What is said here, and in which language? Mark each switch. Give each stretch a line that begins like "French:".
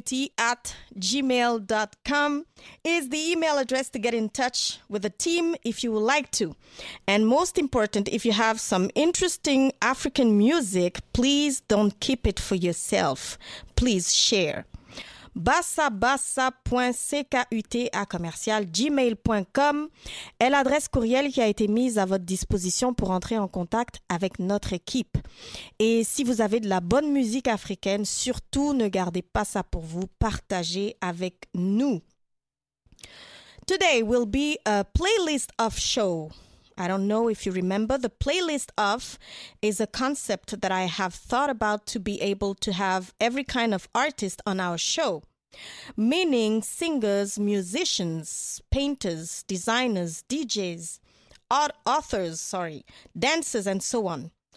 English: basabasa.ckut@gmail.com is the email address to get in touch with the team if you would like to. And most important, if you have some interesting African music, please don't keep it for yourself. Please share.
French: basabasa.ckut@gmail.com est l'adresse courriel qui a été mise à votre disposition pour entrer en contact avec notre équipe. Et si vous avez de la bonne musique africaine, surtout ne gardez pas ça pour vous, partagez avec nous.
English: Today will be a playlist of show. I don't know if you remember, the playlist of is a concept that I have thought about to be able to have every kind of artist on our show. Meaning singers, musicians, painters, designers, DJs, authors, dancers, and so on.